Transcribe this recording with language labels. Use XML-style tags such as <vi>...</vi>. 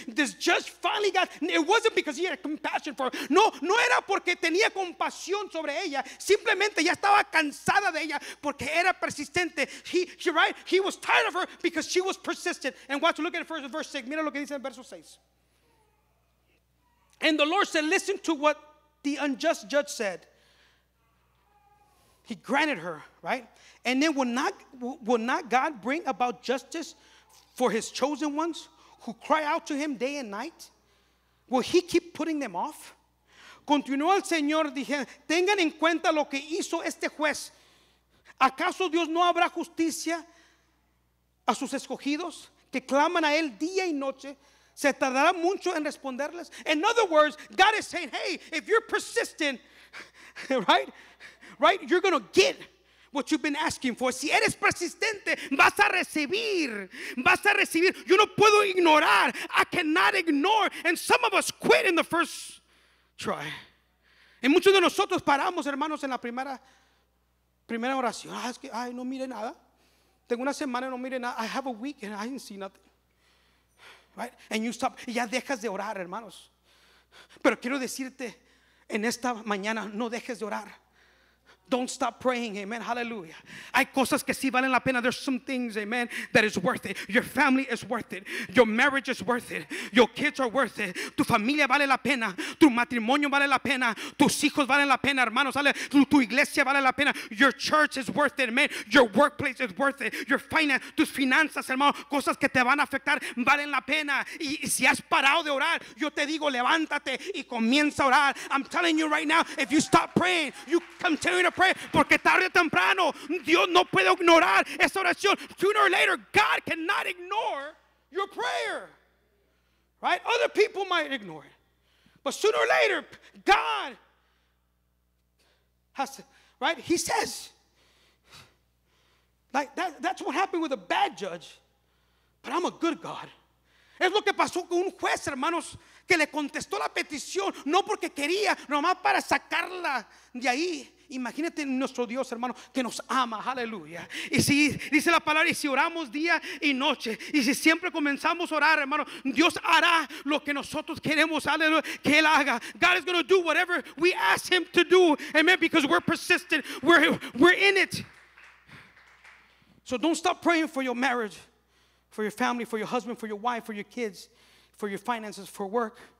<en>This judge finally got, it wasn't because he had compassion for her.</en> <es>No, no era porque tenía compasión sobre ella. Simplemente ya estaba cansada de ella porque era persistente.</es> <en>He right? He was tired of her because she was persistent. And watch, look at the first verse 6.</en> <es>Mira lo que dice en verso 6.</es> <en>And the Lord said, listen to what the unjust judge said. He granted her, right? And then will not God bring about justice for his chosen ones who cry out to him day and night? Will he keep putting them off?</en> <es>Continuó el Señor, dije, tengan en cuenta lo que hizo este juez. ¿Acaso Dios no habrá justicia a sus escogidos que claman a él día y noche? ¿Se tardará mucho en responderles?</es> <en>In other words, God is saying, hey, if you're persistent, right? Right? You're going to get what you've been asking for.</en> <es>Si eres persistente, vas a recibir. Vas a recibir. Yo no puedo ignorar.</es> <en>I cannot ignore. And some of us quit in the first try.</en> <es>Y muchos de nosotros paramos, hermanos, en la primera oración. Ah, es que, ay, no mire nada. Tengo una semana y no mire nada.</es> <en>I have a week and I didn't see nothing. Right? And you stop.</en> <es>Y ya dejas de orar, hermanos. Pero quiero decirte, en esta mañana, no dejes de orar.</es> <en>Don't stop praying, amen, hallelujah.</en> <es>Hay cosas que sí valen la pena.</es> <en>There's some things, amen, that is worth it. Your family is worth it. Your marriage is worth it. Your kids are worth it.</en> <es>Tu familia vale la pena. Tu matrimonio vale la pena. Tus hijos valen la pena, hermanos. Tu iglesia vale la pena.</es> <en>Your church is worth it, amen. Your workplace is worth it. Your finance,</en> <es>tus finanzas, hermano, cosas que te van a afectar, valen la pena. Y si has parado de orar, yo te digo, levántate y comienza a orar.</es> <en>I'm telling you right now, if you stop praying, you continue to pray,</en> <es>porque tarde o temprano Dios no puede ignorar esa oración.</es> <en>Sooner or later, God cannot ignore your prayer. Right? Other people might ignore it, but sooner or later, God has to. Right? He says, like that. That's what happened with a bad judge, but I'm a good God.</en> <es>Es lo que pasó con un juez, hermanos, que le contestó la petición no porque quería, nomás para sacarla de ahí. Imagínate nuestro Dios, hermano, que nos ama, aleluya. Y si dice la palabra, y si oramos día y noche, y si siempre comenzamos a orar, hermano, Dios hará lo que nosotros queremos, aleluya, que Él haga.</es> <en>God is going to do whatever we ask Him to do, amen, because we're persistent, we're in it. So don't stop praying for your marriage, for your family, for your husband, for your wife, for your kids, for your finances, for work.</en>